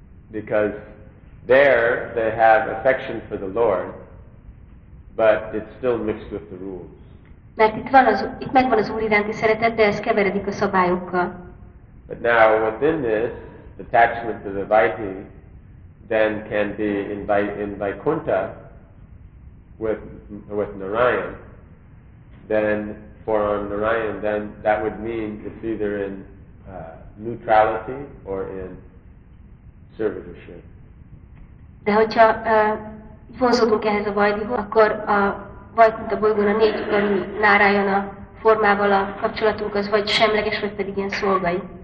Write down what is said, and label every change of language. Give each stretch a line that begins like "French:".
English: Because there they have affection for the Lord, but it's still mixed with the rules.
Hungarian: Mert itt megvan az Úr iránti szeretet, de ez keveredik a szabályokkal.
English: But now within this attachment to the Vaidhi, then can be in Vaikuntha with Narayan. Then for Narayan, then that would mean it's either in neutrality or in servitorship.
Hungarian: De hogyha vonzódunk ehhez a Vaidhihoz, akkor a Vaikuntha bolygón a négy körű Narayana formával a kapcsolatunk az vagy semleges, vagy pedig ilyen szolgai.